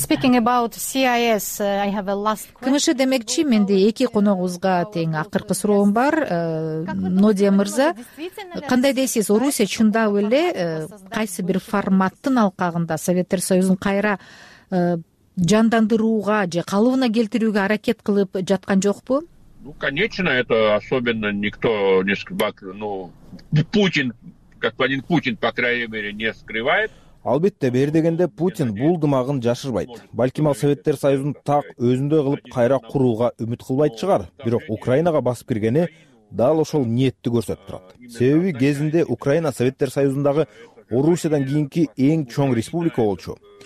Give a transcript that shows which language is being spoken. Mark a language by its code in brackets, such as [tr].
[ky] КМШ демекчи, менде эки коногубузга тең акыркы суроом бар. Нодия мырза, кандай дейсиз, Орусия чындап эле кайсы бир форматтын алкагында Советтер Союзун кайра жандандырууга же калыбына келтирүүгө аракет кылып жаткан жокпу? [ru] Ну, конечно, это особенно никто не скрывает, ну, Путин, господин Путин, по крайней мере, не скрывает. [ky] Албетте, бери дегенде Путин бул дымагын жашырбайт. Балким ал Советтер Союзун так өзүндөй кылып кайра курууга үмүт кылбайт чыгар. Бирок Украинага басып киргени дал ошол ниетти көрсөтүп турат. Себеби кезинде Украина Советтер Союзундагы Орусиядан кийинки эң чоң республика болчу.